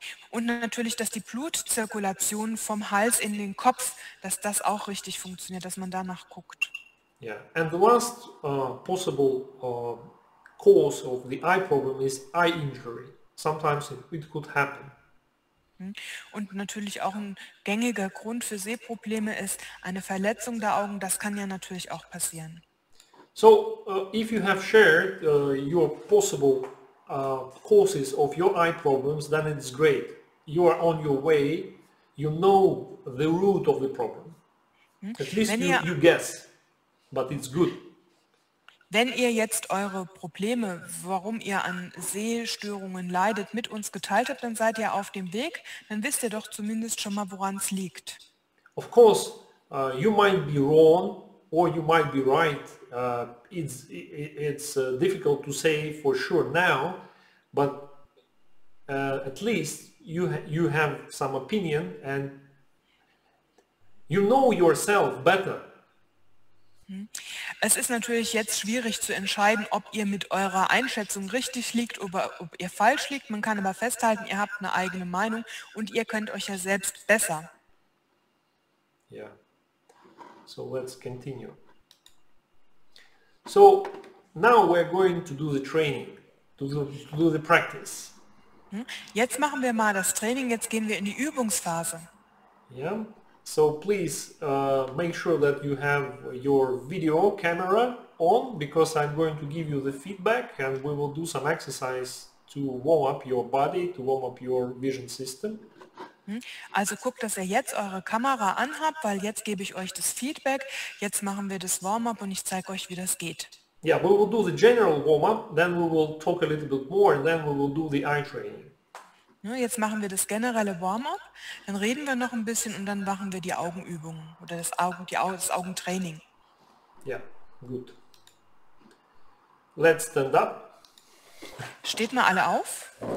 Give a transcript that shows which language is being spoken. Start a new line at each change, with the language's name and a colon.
German: Und natürlich, dass die Blutzirkulation vom Hals in den Kopf, dass das auch richtig funktioniert, dass man danach guckt.
English: Yeah. And the last possible cause of the eye problem is eye injury. Sometimes it could happen.
German: Und natürlich auch ein gängiger Grund für Sehprobleme ist eine Verletzung der Augen. Das kann ja natürlich auch passieren.
English: So, if you have shared your possible causes of your eye problems, then it's great. You are on your way. You know the root of the problem. At least you guess, but it's good.
German: Wenn ihr jetzt eure Probleme, warum ihr an Sehstörungen leidet, mit uns geteilt habt, dann seid ihr auf dem Weg, dann wisst ihr doch zumindest schon mal, woran es liegt.
English: Of course, you might be wrong or you might be right. It's difficult to say for sure now, but at least you have some opinion and you know yourself better.
German: Es ist natürlich jetzt schwierig zu entscheiden, ob ihr mit eurer Einschätzung richtig liegt oder ob ihr falsch liegt. Man kann aber festhalten, ihr habt eine eigene Meinung und ihr könnt euch ja selbst besser.
English: Yeah. So let's continue. So now we're going to do the training, to do the practice.
German: Jetzt machen wir mal das Training, jetzt gehen wir in die Übungsphase.
English: Yeah. So please make sure that you have your video camera on, because I'm going to give you the feedback and we will do some exercise to warm up your body, to warm up your vision system.
German: Also guckt, dass ihr jetzt eure Kamera anhabt, weil jetzt gebe ich euch das Feedback. Jetzt machen wir das Warm-up und ich zeige euch, wie das geht.
English: Yeah, we will do the general warm-up, then we will talk a little bit more and then we will do the eye training.
German: Jetzt machen wir das generelle Warm-up, dann reden wir noch ein bisschen und dann machen wir die Augenübungen oder das Augentraining.
English: Yeah, good. Let's stand up.
German: Steht mal alle auf.